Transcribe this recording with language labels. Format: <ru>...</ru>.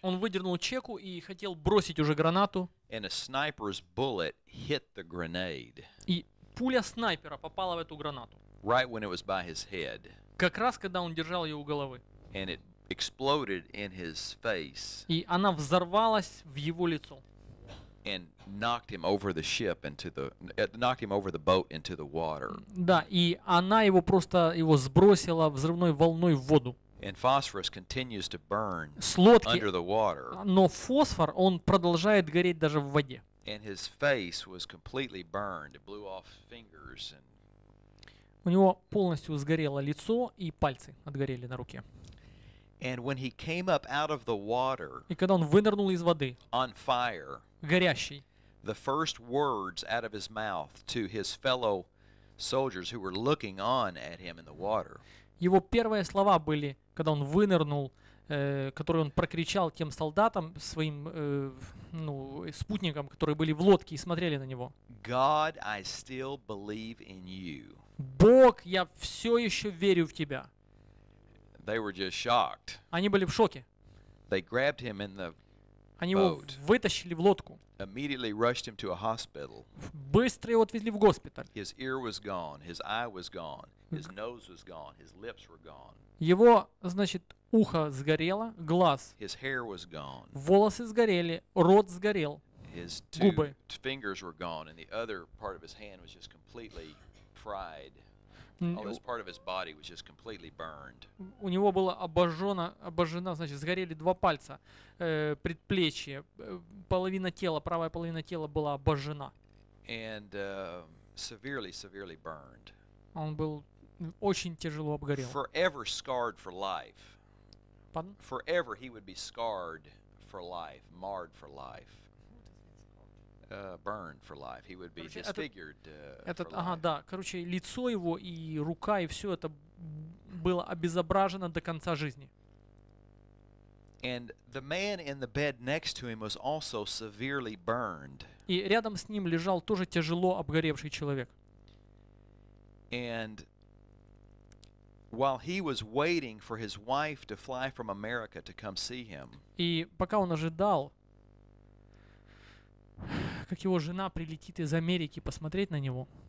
<ru>Он выдернул чеку и хотел бросить уже гранату.</ru> <en>And a sniper's bullet hit the grenade.</en> <ru>И пуля снайпера попала в эту гранату.</ru> <en>Right when it was by his head.</en> <ru>Как раз когда он держал ее у головы.</ru> <en>And it exploded in his face.</en> <ru>И она взорвалась в его лицо.</ru> <en>And knocked him over the ship into the knocked him over the boat into the water.</en> <ru>Да, и она его просто его сбросила взрывной волной в воду.</ru> <en>And phosphorus continues to burn under the water.</en> <ru>Но фосфор, он продолжает гореть даже в воде.</ru> <en>And his face was completely burned. It blew off fingers and.</en> <ru>У него полностью сгорело лицо и пальцы отгорели на руке.</ru> <en>And when he came up out of the water.</en> <ru>И когда он вынырнул из воды.</ru> <en>On fire.</en> <ru>Горящий.</ru> <en>The first words out of his mouth to his fellow soldiers who were looking on at him in the water.</en> <ru>Его первые слова были, когда он вынырнул, которые он прокричал тем солдатам, своим спутникам, которые были в лодке и смотрели на него.</ru> <en>God, I still believe in you.</en> <ru>Бог, я все еще верю в тебя.</ru> <en>They were just shocked.</en> <ru>Они были в шоке.</ru> <en>They grabbed him in the</en> <ru>Они его</ru> <en>boat.</en> <ru>Вытащили в лодку.</ru> <en>Immediately rushed him to a hospital.</en> <ru>Быстро его отвезли в госпиталь.</ru> <en>His ear was gone, his eye was gone. His nose was gone, his lips were gone.</en> <ru>Его, значит, ухо сгорело, глаз.</ru> <en>His hair was gone.</en> <ru>Волосы сгорели, рот сгорел.</ru> <en>His</en> <ru>губы.</ru> <en>Two fingers were gone and the other part of his hand was just completely fried. All this part of his body was just completely burned.</en> <ru>У него было обожжено, значит, сгорели два пальца, предплечье, половина тела, правая половина тела была обожжена.</ru> <en>And severely burned.</en> <ru>Он был очень тяжело обгорел.</ru> <en>Forever scarred for life. Pardon? Forever he would be scarred for life, marred for life. Burned for life. He would be disfigured.</en> <ru>Короче, лицо его и рука и все это было обезображено до конца жизни.</ru> <en>And the man in the bed next to him was also severely burned.</en> <ru>И рядом с ним лежал тоже тяжело обгоревший человек.</ru> <en>And while he was waiting for his wife to fly from America to come see him.</en> <ru>И пока он ожидал, как его жена прилетит из Америки посмотреть на него.</ru>